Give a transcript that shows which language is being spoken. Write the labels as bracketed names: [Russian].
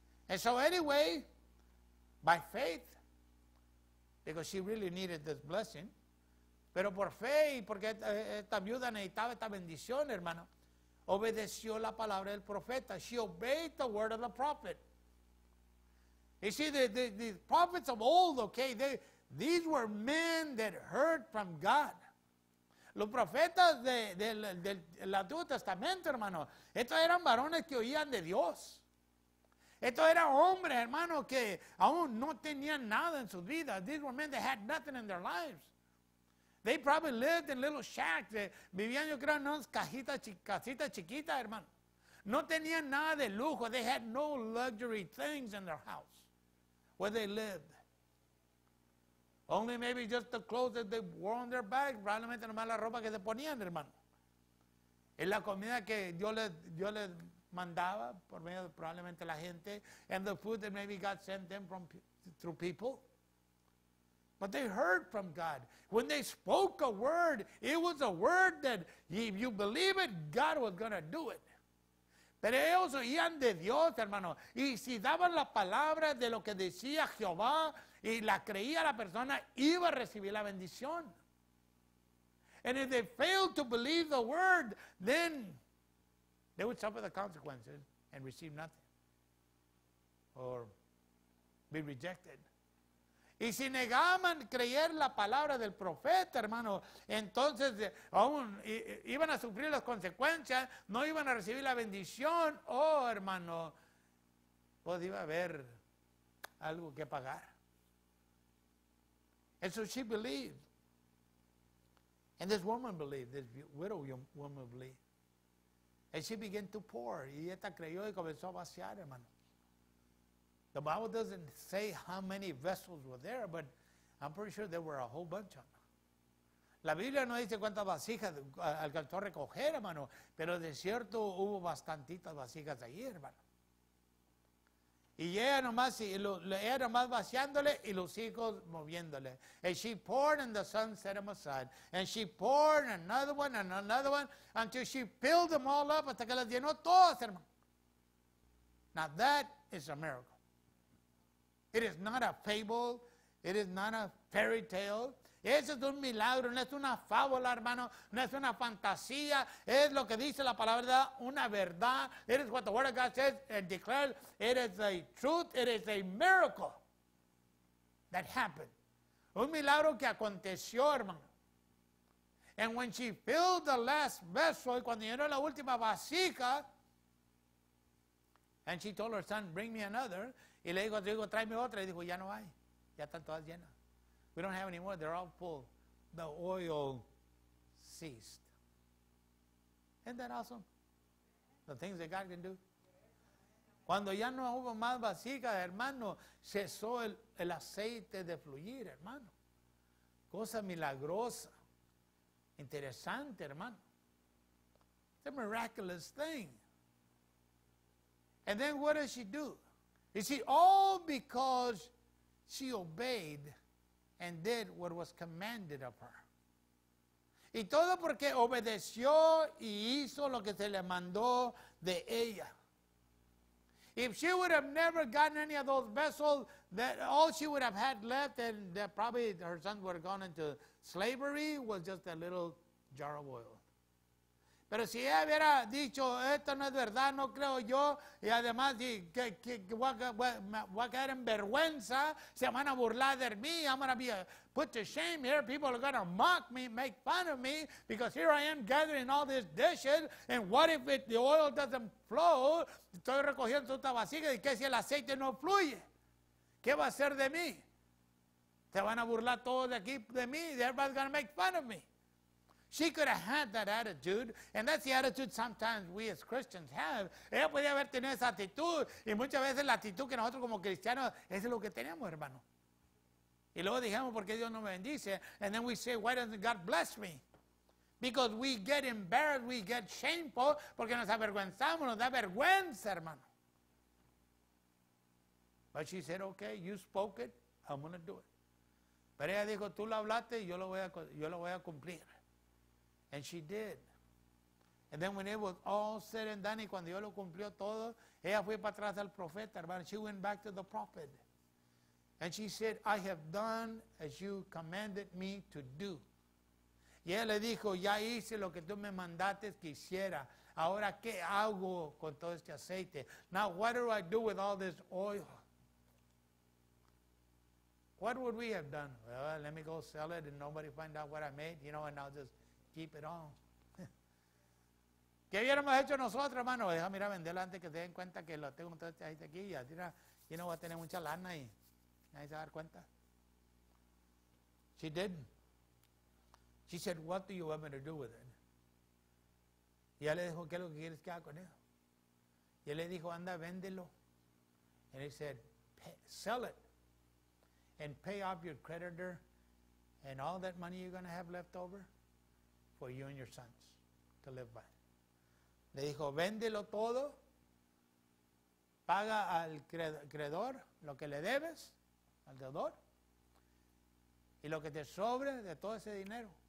[English] And so anyway, by faith, because she really needed this blessing, [Spanish] pero por fe y porque esta viuda necesitaba esta bendición, hermano, obedeció la palabra del profeta. [English] She obeyed the word of the prophet. You see, the prophets of old, okay, these were men that heard from God. [Spanish] Los profetas del Antiguo Testamento, hermano, estos eran varones que oían de Dios. Estos eran hombres, hermano, que aún no tenían nada en sus vidas. [English] These were men that had nothing in their lives. They probably lived in little shacks. [Spanish] Vivían, yo creo, en unas casitas chiquitas, hermano. No tenían nada de lujo. [English] They had no luxury things in their house where they lived. Only maybe just the clothes that they wore on their back. [Spanish] Probablemente nomás la ropa que se ponían, hermano. Y la comida que Dios les mandaba por medio de probablemente la gente. [English] And the food that maybe God sent them from through people. But they heard from God. When they spoke a word, it was a word that if you believe it, God was going to do it. [Spanish] Pero ellos oían de Dios, hermano. Y si daban la palabra de lo que decía Jehová y la creía la persona, iba a recibir la bendición. [English] And if they failed to believe the word, then they would suffer the consequences and receive nothing. Or be rejected. [Spanish] Y si negaban creer la palabra del profeta, hermano, entonces aún iban a sufrir las consecuencias, no iban a recibir la bendición. Oh, hermano, pues iba a haber algo que pagar. [English] And so she believed. And this woman believed, this widow woman believed. And she began to pour. [Spanish] Y esta creyó y comenzó a vaciar, hermano. [English] The Bible doesn't say how many vessels were there, but I'm pretty sure there were a whole bunch of them. [Spanish] La Biblia no dice cuántas vasijas alcanzó a recoger, hermano, pero de cierto hubo bastantitas vasijas ahí, hermano. Y ella nomás vaciándole y los hijos moviéndole. [English] And she poured and the sun set them aside. And she poured another one and another one until she filled them all up [Spanish] hasta que las llenó todas, hermano. [English] Now that is a miracle. It is not a fable. It is not a fairy tale. [Spanish] Eso es un milagro. No es una fábula, hermano. No es una fantasía. Es lo que dice la palabra, una verdad. [English] It is what the word of God says and declares. It is a truth. It is a miracle that happened. [Spanish] Un milagro que aconteció, hermano. [English] And when she filled the last vessel, [Spanish] cuando llenó la última vasija, [English] and she told her son, bring me another. [Spanish] Y le dijo, digo, tráeme otra. Y dijo, ya no hay. Ya están todas llenas. [English] We don't have any more. They're all full. The oil ceased. Isn't that awesome? The things that God can do. [Spanish] Cuando ya no hubo más vasijas, hermano, cesó el aceite de fluir, hermano. Cosa milagrosa. Interesante, hermano. [English] It's a miraculous thing. And then what does she do? You see, all because she obeyed and did what was commanded of her. [Spanish] Y todo porque obedeció y hizo lo que se le mandó de ella. [English] If she would have never gotten any of those vessels, that all she would have had left and that probably her sons would have gone into slavery was just a little jar of oil. [Spanish] Pero si ella hubiera dicho, esto no es verdad, no creo yo, y además voy a quedar en vergüenza, se van a burlar de mí, [English] I'm going to be put to shame here, people are going to mock me, make fun of me, because here I am gathering all these dishes, and what if the oil doesn't flow, [Spanish] estoy recogiendo esta vasija, y qué si el aceite no fluye, qué va a hacer de mí, se van a burlar todos de aquí de mí, [English] everybody's going to make fun of me. She could have had that attitude, and that's the attitude sometimes we as Christians have. [Spanish] Ella podía haber tenido esa actitud, y muchas veces la actitud que nosotros como cristianos, eso es lo que tenemos, hermano. Y luego dijimos, ¿por qué Dios no me bendice? [English] And then we say, why doesn't God bless me? Because we get embarrassed, we get shameful, [Spanish] porque nos avergüenzamos, nos da vergüenza, hermano. [English] But she said, okay, you spoke it, I'm going to do it. [Spanish] Pero ella dijo, tú lo hablaste, yo lo voy a cumplir. [English] And she did. And then when it was all said and done, [Spanish] y cuando yo lo cumplió todo, ella fue para atrás al profeta, hermano. [English] She went back to the prophet. And she said, I have done as you commanded me to do. [Spanish] Y ella le dijo, ya hice lo que tú me mandaste que hiciera. Ahora, ¿qué hago con todo este aceite? [English] Now, what do I do with all this oil? What would we have done? Well, let me go sell it and nobody find out what I made, you know, and I'll just keep it on. [Spanish] ¿Qué hubiéramos hecho nosotros, hermano? Deja, mira, venderlo antes que se den cuenta que lo tengo todo este aceite aquí. Y así, [English] you know, [Spanish] voy a tener mucha lana y nadie se va a dar cuenta. [English] She didn't. She said, what do you want me to do with it? [Spanish] Y él le dijo, ¿qué es lo que quieres que haga con eso? Y él le dijo, anda, véndelo. [English] And he said, sell it. And pay off your creditor and all that money you're going to have left over for you and your sons to live by. [Spanish] Le dijo, véndelo todo. Paga al creador lo que le debes, al deudor. Y lo que te sobre de todo ese dinero.